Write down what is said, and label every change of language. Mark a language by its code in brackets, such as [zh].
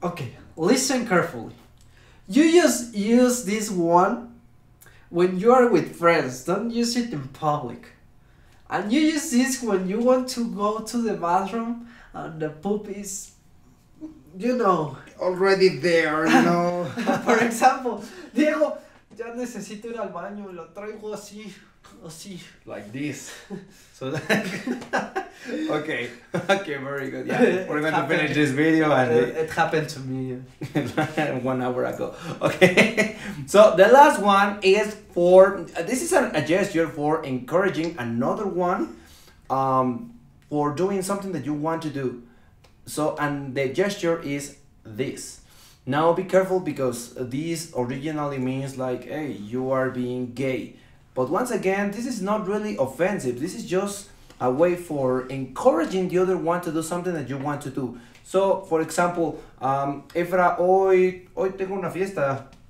[en] Okay, listen carefully. You just use this one when you are with friends. Don't use it in public. And you use this when you want to go to the bathroom and the poop is, you know... Already there, you know? For example, [es] Diego, ya necesito ir al baño, lo traigo así, así. [en] Like this. So like... Okay, okay, very good. Yeah, we're going to finish this video and... It happened to me. 1 hour ago. Okay, so the last one is for... this is a gesture for encouraging another one for doing something that you want to do. So, and the gesture is this. Now be careful because this originally means like, hey, you are being gay. But once again, this is not really offensive. This is just a way for encouraging the other one to do something that you want to do. So, for example, [es] Efra, hoy tengo una fiesta.